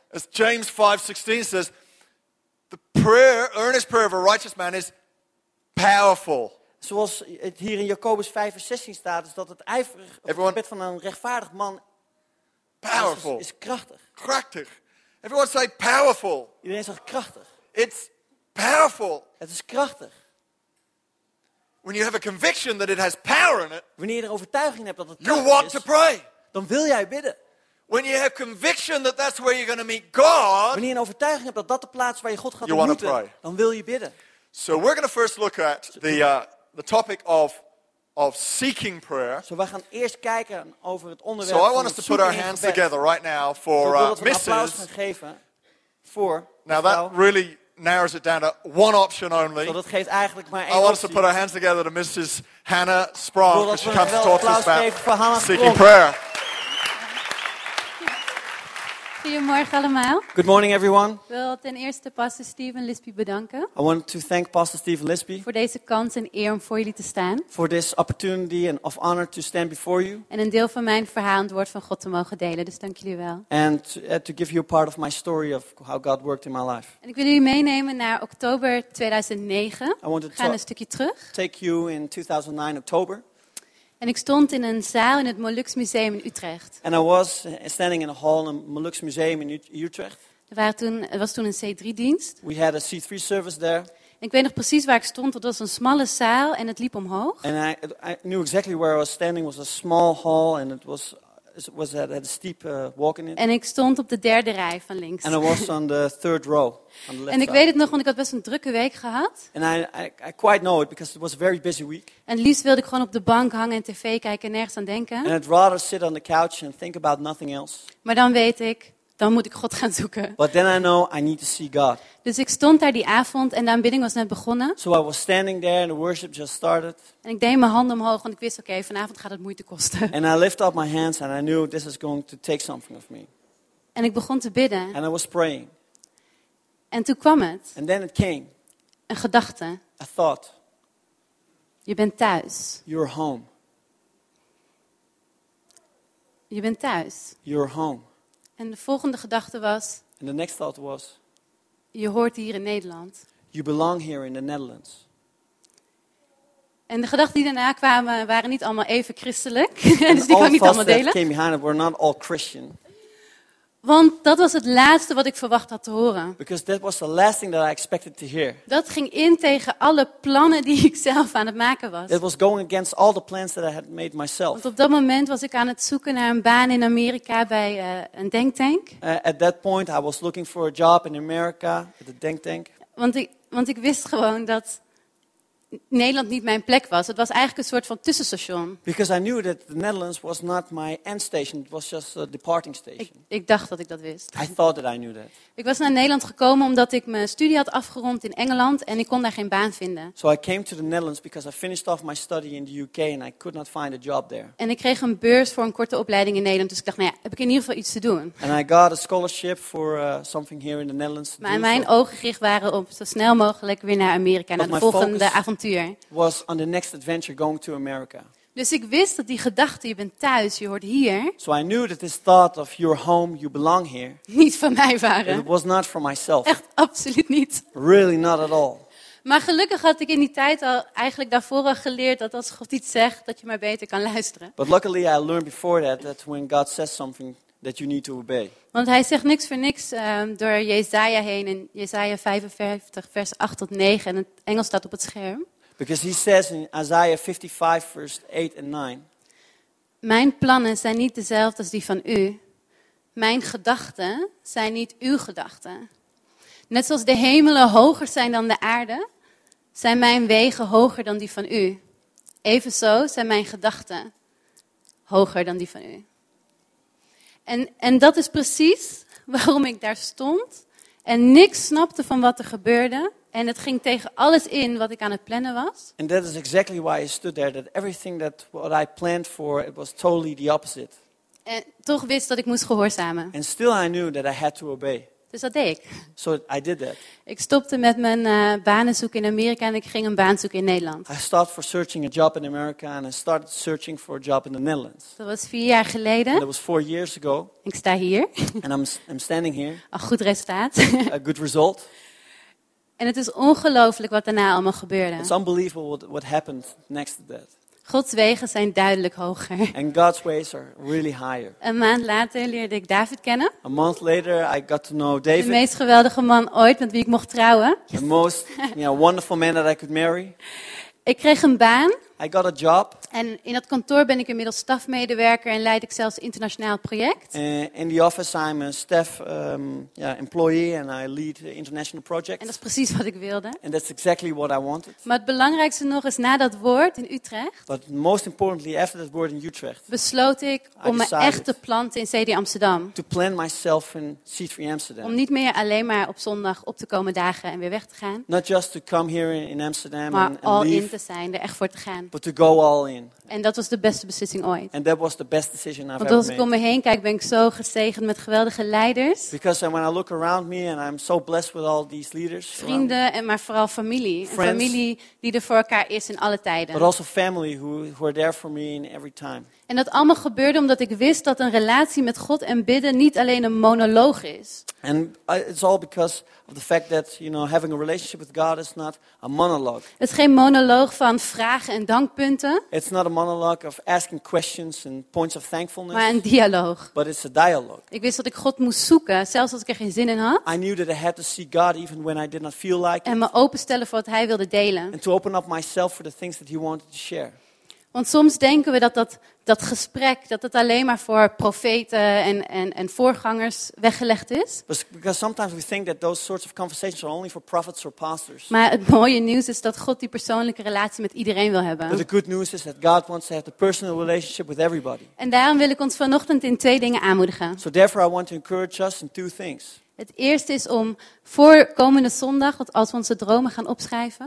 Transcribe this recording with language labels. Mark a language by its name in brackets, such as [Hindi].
[English] As James 5:16 says, the prayer, earnest prayer of a righteous man is powerful. [Dutch] Zoals het hier in Jacobus 5:16 staat, is dat het ijverig gebed van een rechtvaardig man [English] powerful. [Dutch] Is krachtig. [English] Krachtig. Everyone say powerful. [Dutch] Iedereen zegt krachtig. [English] It's powerful. [Dutch] Het is krachtig. [English] When you have a conviction that it has power in it. [Dutch] Wanneer je er overtuiging hebt dat het krachtig is. [English] You want [Dutch] is, [English] to pray. [Dutch] Dan wil jij bidden. [English] When you have conviction that that's where you're going to meet God. [Dutch] Wanneer je een overtuiging hebt dat dat de plaats waar je God gaat [English] you [Dutch] ontmoeten. [English] You want to pray. [Dutch] Dan wil je bidden. [English] So we're going to first look at the topic of seeking prayer. [Dutch] So we gaan eerst kijken over het onderwerp. [English] So I want us to put our hands together right now for Mrs. Now that really narrows it down to one option only. [Dutch] So dat geeft eigenlijk maar één [English] I want [Dutch] optie. [English] Us to put our hands together to Mrs. Hannah Sprong as she comes to talk to us about seeking prayer. [Dutch] Goedemorgen allemaal. [English] Good morning everyone. [Dutch] Ik wil ten eerste Pastor Steven Lispy bedanken. [English] I want to thank Pastor Steven Lispy [Dutch] voor deze kans en eer om voor jullie te staan. [English] For this opportunity and of honor to stand before you. [Dutch] En een deel van mijn verhaal en het woord van God te mogen delen. Dus dank jullie wel. [English] And to give you a part of my story of how God worked in my life. [Dutch] En ik wil jullie meenemen naar oktober 2009. [English] I want to [Dutch] gaan een stukje terug. [English] Take you in 2009 October. [Dutch] En ik stond in een zaal in het Molux Museum in Utrecht. [English] And I was standing in a hall in the Molux Museum in Utrecht. [Dutch] Er was toen een C3 dienst. [English] We had a C3 service there. [Dutch] En ik weet nog precies waar ik stond. Dat was een smalle zaal en het liep omhoog. [English] And I knew exactly where I was standing. It was a small hall and it was at a steep walk in. [Dutch] En ik stond op de derde rij van links. [English] And I was on the third row on the left. [Dutch] En ik weet het nog, want ik had best een drukke week gehad. [English] And I quite know it because it was a very busy week. [Dutch] En het liefst wilde ik gewoon op de bank hangen en tv kijken en nergens aan denken. [English] And I'd rather sit on the couch and think about nothing else. [Dutch] Maar dan weet ik, dan moet ik God gaan zoeken. [English] But then I know I need to see God. [Dutch] Dus ik stond daar die avond en de aanbidding was net begonnen. [English] So I was standing there and the worship just started. [Dutch] En ik deed mijn handen omhoog want ik wist oké, vanavond gaat het moeite kosten. [English] And I lifted up my hands and I knew this is going to take something of me. [Dutch] En ik begon te bidden. [English] And I was praying. [Dutch] En toen kwam het. [English] And then it came. [Dutch] Een gedachte. [English] A thought. [Dutch] Je bent thuis. [English] You're home. [Dutch] Je bent thuis. [English] You're home. [Dutch] En de volgende gedachte was. [English] And the next thought was. [Dutch] Je hoort hier in Nederland. [English] You belong here in the Netherlands. [Dutch] En de gedachten die daarna kwamen waren niet allemaal even christelijk. Dus die kan ik niet allemaal delen. [English] Came behind it were not all Christian. [Dutch] Want dat was het laatste wat ik verwacht had te horen. [English] Because that was the last thing that I expected to hear. [Dutch] Dat ging in tegen alle plannen die ik zelf aan het maken was. [English] It was going against all the plans that I had made myself. [Dutch] Want op dat moment was ik aan het zoeken naar een baan in Amerika bij een think tank. [English] At that point I was looking for a job in America at a think tank. [Dutch] Want ik wist gewoon dat Nederland niet mijn plek was. Het was eigenlijk een soort van tussenstation. [English] Because I knew that the Netherlands was not my end station. It was just a departing station. [Dutch] Ik dacht dat ik dat wist. [English] I thought that I knew that. [Dutch] Ik was naar Nederland gekomen omdat ik mijn studie had afgerond in Engeland en ik kon daar geen baan vinden. [English] So I came to the Netherlands because I finished off my study in the UK and I could not find a job there. [Dutch] En ik kreeg een beurs voor een korte opleiding in Nederland, dus ik dacht, nou ja, heb ik in ieder geval iets te doen. [English] And I got a scholarship for something here in the Netherlands. [Dutch] Maar mijn ogen gericht waren op zo snel mogelijk weer naar Amerika, naar de volgende avond. [English] Was on the next adventure going to America. [Dutch] Dus ik wist dat die gedachte, je bent thuis, je hoort hier. [English] So I knew that this thought of your home, you belong here. [Dutch] Niet van mij waren. [English] It was not for myself. [Dutch] Echt absoluut niet. [English] Really not at all. [Dutch] Maar gelukkig had ik in die tijd al eigenlijk daarvoor al geleerd dat als God iets zegt, dat je maar beter kan luisteren. [English] But luckily I learned before that when God says something that you need to obey. [Dutch] Want hij zegt niks voor niks door Jesaja heen in Jesaja 55 vers 8 tot 9 en het Engels staat op het scherm. [English] Because he says in Isaiah 55 [Dutch] vers 8 en 9. Mijn plannen zijn niet dezelfde als die van u. Mijn gedachten zijn niet uw gedachten. Net zoals de hemelen hoger zijn dan de aarde, Zijn mijn wegen hoger dan die van u? Evenzo zijn mijn gedachten hoger dan die van u. En dat is precies waarom ik daar stond en niks snapte van wat er gebeurde. En het ging tegen alles in wat ik aan het plannen was. [English] And that is exactly why I stood there, that everything that what I planned for, it was totally the opposite. [Dutch] En toch wist dat ik moest gehoorzamen. [English] And still I knew that I had to obey. [Dutch] Dus dat deed ik. [English] So I did that. [Dutch] Ik stopte met mijn banen zoeken in Amerika en ik ging een baan zoeken in Nederland. [English] I stopped for searching a job in America and I started searching for a job in the Netherlands. [Dutch] Dat was 4 jaar geleden. [English] And that was 4 years ago. [Dutch] Ik sta hier. [English] And I'm standing here. [Dutch] Een goed resultaat. [English] A good result. [Dutch] En het is ongelooflijk wat daarna allemaal gebeurde. [English] It's unbelievable what happened next to that. [Dutch] Gods wegen zijn duidelijk hoger. [English] And God's ways are really higher. [Dutch] Een maand later leerde ik David kennen. [English] A month later I got to know David. [Dutch] De meest geweldige man ooit met wie ik mocht trouwen. [English] The most wonderful man that I could marry. [Dutch] Ik kreeg een baan. [English] I got a job. [Dutch] En in dat kantoor ben ik inmiddels stafmedewerker en leid ik zelfs internationaal project. [English] In the office I'm a staff employee and I lead international projects. [Dutch] En dat is precies wat ik wilde. [English] And that's exactly what I wanted. [Dutch] Maar het belangrijkste nog is na dat woord in Utrecht. [English] But most importantly after that word in Utrecht. [Dutch] Besloot ik om me echt te planten in CD Amsterdam. [English] To plant myself in C3 Amsterdam. [Dutch] Om niet meer alleen maar op zondag op te komen dagen en weer weg te gaan. [English] Not just to come here in Amsterdam [Dutch] maar [English] and leave. [Dutch] Maar al in te zijn, er echt voor te gaan. [English] But to go all in. [Dutch] En dat was de beste beslissing ooit. [English] And that was the best decision I've ever made. [Dutch] Want als ik om me heen kijk, ben ik zo gezegend met geweldige leiders. [English] Because when I look around me and I'm so blessed with all these leaders. [Dutch] Vrienden en maar vooral familie. [English] Friends, [Dutch] een familie die er voor elkaar is in alle tijden. [English] But also family who are there for me in every time. [Dutch] En dat allemaal gebeurde omdat ik wist dat een relatie met God en bidden niet alleen een monoloog is. [English] And it's all because of the fact that having a relationship with God is not a monologue. [Dutch] Het is geen monoloog van vragen en dankpunten. [English] It's not a monologue of asking questions and points of thankfulness. [Dutch] Maar een dialoog. [English] But it's a dialogue. [Dutch] Ik wist dat ik God moest zoeken, zelfs als ik er geen zin in had. [English] I knew that I had to seek God even when I did not feel like it. [Dutch] En me openstellen voor wat Hij wilde delen. [English] And to open up myself for the things that He wanted to share. [Dutch] Want soms denken we dat gesprek, dat het alleen maar voor profeten en voorgangers weggelegd is. [English] Because sometimes we think that those sorts of conversations are only for prophets or pastors. [Dutch] Maar het mooie nieuws is dat God die persoonlijke relatie met iedereen wil hebben. [English] But the good news is that God wants to have the personal relationship with everybody. [Dutch] En daarom wil ik ons vanochtend in 2 dingen aanmoedigen. [English] So therefore I want to encourage us in 2 things. [Dutch] Het eerste is om voor komende zondag, als we onze dromen gaan opschrijven.